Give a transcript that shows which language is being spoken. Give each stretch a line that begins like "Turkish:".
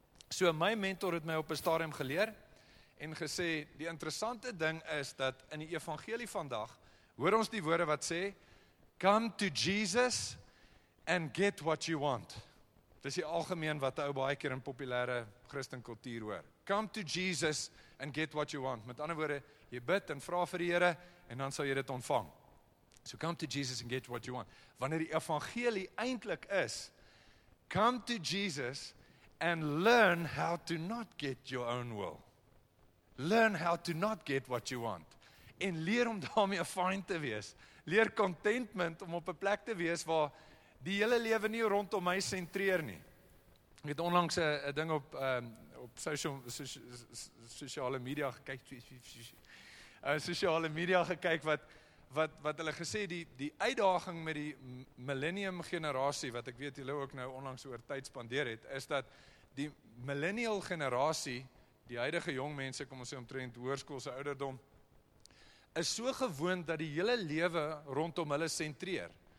Afrikaans: So my mentor het my op 'n stadium geleer en gesê, die interessante ding is dat in die evangelie vandag, hoor ons die woorde wat sê,
English: come to Jesus and get what you want.
Afrikaans: Dis die algemeen wat 'n ou baie keer in populêre Christenkultuur hoor.
English: Come to Jesus and get what you want.
Afrikaans: Met ander woorde, jy bid en vra vir die Here en dan sal jy dit ontvang.
English: So come to Jesus and get what you want.
Afrikaans: Wanneer die evangelie eintlik is,
English: come to Jesus and learn how to not get your own will. Learn how to not get what you want.
Afrikaans: En leer om daarmee fine te wees. Leer contentment om op 'n plek te wees waar die hele lewe nie rondom my sentreer nie. Ek het onlangs 'n ding op sosiale media gekyk wat hulle gesê die uitdaging met die millennium generasie, wat ek weet julle ook nou onlangs oor tyd spandeer het, is dat die millennial generasie, die huidige jong mense, kom ons sê omtrent hoërskoolse ouderdom, is so gewoond dat die hele lewe rondom hulle sentreer.